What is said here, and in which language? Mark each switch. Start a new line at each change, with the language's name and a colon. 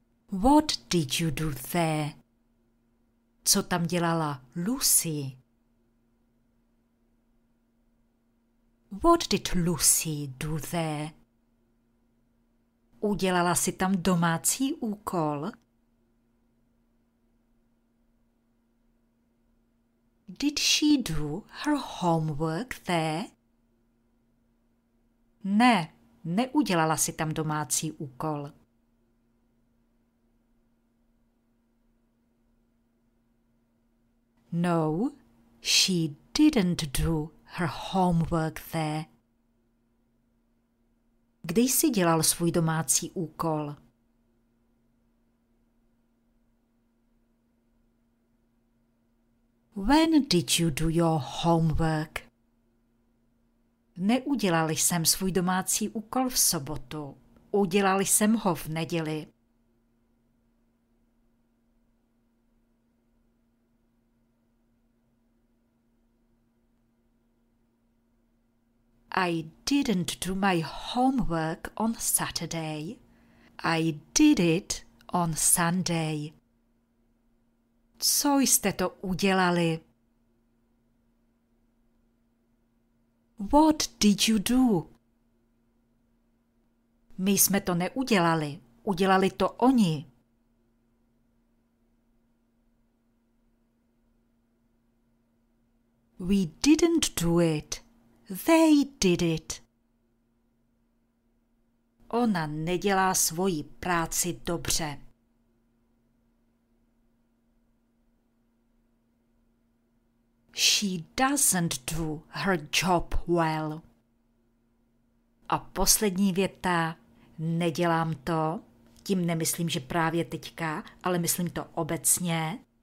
English: What did you do there?
Czech: Co tam dělala Lucy?
English: What did Lucy do there?
Czech: Udělala si tam domácí úkol?
English: Did she do her homework there?
Czech: Ne, neudělala si tam domácí úkol.
English: No, she didn't do her homework there.
Czech: Kdy jsi dělal svůj domácí úkol?
English: When did you do your homework?
Czech: Neudělal jsem svůj domácí úkol v sobotu. Udělal jsem ho v neděli.
English: I didn't do my homework on Saturday. I did it on Sunday.
Czech: Co jste to udělali?
English: What did you do?
Czech: My jsme to neudělali. Udělali to oni.
English: We didn't do it. They did it.
Czech: Ona nedělá svoji práci dobře.
English: She doesn't do her job well.
Czech: A poslední věta, nedělám to, tím nemyslím, že právě teďka, ale myslím to obecně.